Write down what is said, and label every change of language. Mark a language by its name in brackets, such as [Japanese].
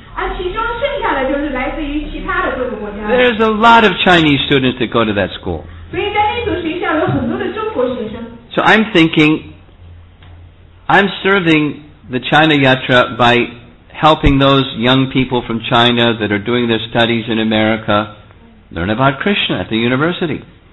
[Chinese] 啊，其中剩下的就是来自于其他的各个国家。 [English] There's a lot of Chinese students that go to that school. [Chinese] 所以在那所学校有很多的中国学生。 [English] So I'm thinking, I'm serving the China Yatra by helping those young people from China that are doing their studies in America learn about Krishna at the university.